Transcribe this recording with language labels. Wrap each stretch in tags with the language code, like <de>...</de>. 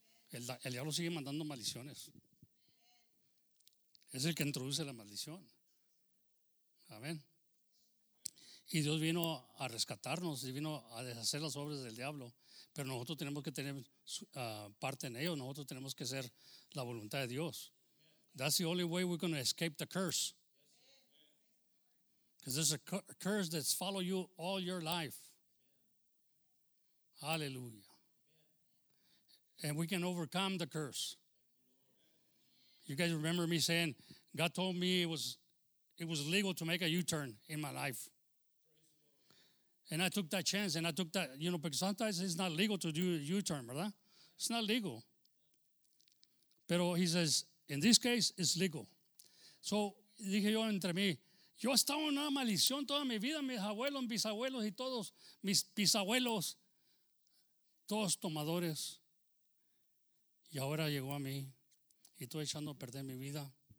<es>El diablo sigue mandando maldiciones. Es el que introduce la maldición. Amén. Y Dios vino a rescatarnos y vino a deshacer las obras del diablo. Pero nosotros tenemos que tener parte en ello. Nosotros tenemos que ser la voluntad de Dios.</es> <en>That's the only way we're going to escape the curse. Because there's a curse that's followed you all your life. Hallelujah. And we can overcome the curse. You guys remember me saying, God told me it was legal to make a U-turn in my life. And I took that chance, and I took that, you know, because sometimes it's not legal to do a U-turn,</en> <es>¿verdad?</es> <en>It's not legal.</en> <es>Pero</es> <en>he says, in this case, it's legal. So,</en> <es>dije yo entre mí, yo estaba en una maldición toda mi vida, mis abuelos, mis bisabuelos y todos, mis bisabuelos, todos tomadores. Y ahora llegó a mí y estoy echando a perder mi vida.</es>